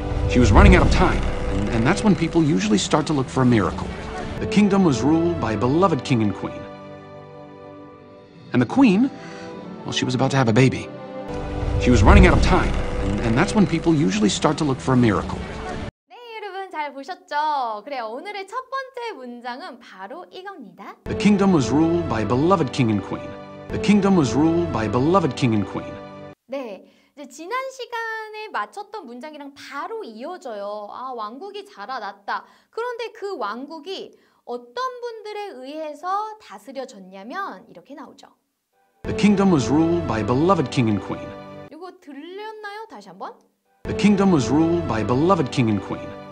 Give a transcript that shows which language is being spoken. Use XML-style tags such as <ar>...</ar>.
<en>She was running out of time, and that's when people usually start to look for a miracle. The kingdom was ruled by a beloved king and queen. And the queen, well, she was about to have a baby. She was running out of time, and that's when people usually start to look for a miracle.</en> <ko>네, 여러분 잘 보셨죠? 그래요, 오늘의 첫 번째 문장은 바로 이겁니다.</ko> <en>The kingdom was ruled by a beloved king and queen. The kingdom was ruled by a beloved king and queen.</en> <ko>네, 이제 지난 시간에 마쳤던 문장이랑 바로 이어져요. 아, 왕국이 자라났다. 그런데 그 왕국이 어떤 분들에 의해서 다스려졌냐면 이렇게 나오죠.</ko> <en>The kingdom was ruled by a beloved king and queen.</en> <ko>이거 들렸나요? 다시 한번.</ko> <en>The kingdom was ruled by a beloved king and queen.</en>